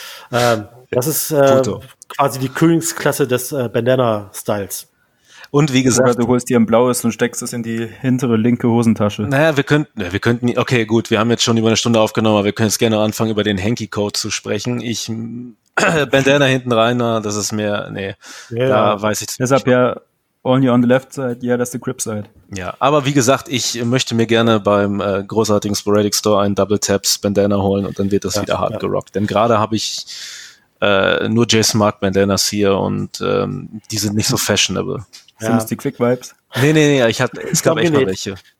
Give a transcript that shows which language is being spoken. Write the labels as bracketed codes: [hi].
[de] Das ist quasi die Königsklasse des Bandana-Styles. Und wie gesagt, du holst dir ein blaues und steckst es in die hintere linke Hosentasche. Naja, wir könnten, okay, gut, wir haben jetzt schon über eine Stunde aufgenommen, aber wir können jetzt gerne anfangen, über den Hanky-Code zu sprechen. Ich, Bandana hinten rein, das ist mir, nee, ja, da weiß ich es nicht. Deshalb ja, [en] only on the left side, yeah, that's the grip side. [de] Ja, aber wie gesagt, ich möchte mir gerne beim großartigen Sporadic Store einen Double Taps Bandana holen und dann wird das wieder hart gerockt. Denn gerade habe ich nur Jason Mark Bandanas hier und die sind nicht so fashionable. Sind es die Quick-Vibes? Nee, es gab echt mal welche.